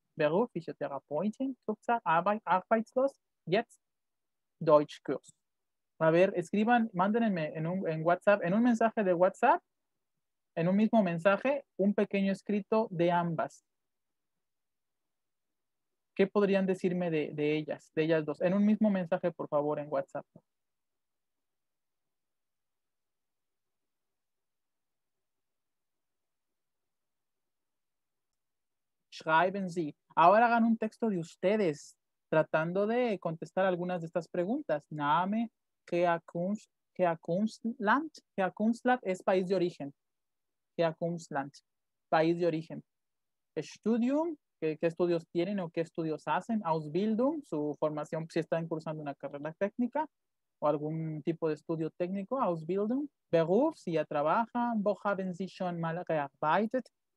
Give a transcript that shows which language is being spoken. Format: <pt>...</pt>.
<de>Beruf, Physiotherapeutin, Kurzer, Arbeitslos, jetzt, Deutschkurs.</de> <es>A ver, escriban, mándenme en WhatsApp, en un mensaje de WhatsApp, en un mismo mensaje, un pequeño escrito de ambas. ¿Qué podrían decirme de ellas dos? En un mismo mensaje, por favor, en WhatsApp.</es> <de>Schreiben Sie.</de> <es>Ahora hagan un texto de ustedes, tratando de contestar algunas de estas preguntas.</es> <de>Name, Herkunftsland.</de> <es>Herkunftsland es país de origen. Herkunftsland, país de origen. Studium. ¿Qué estudios tienen o qué estudios hacen? Ausbildung, su formación, si están cursando una carrera técnica o algún tipo de estudio técnico. Ausbildung. Beruf, si ya trabajan.</es> <de>Wo haben Sie schon mal gearbeitet?</de>